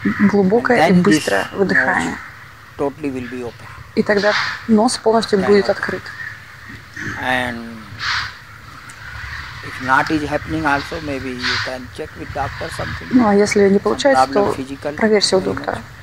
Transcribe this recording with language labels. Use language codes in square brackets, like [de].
[ru] Глубокое и быстрое выдыхание. [en] Totally will be open. [ru] И тогда нос полностью будет открыт. [en] And if not is happening also, maybe you can check with doctor something. [ru] Ну, а если не получается, то проверься у доктора.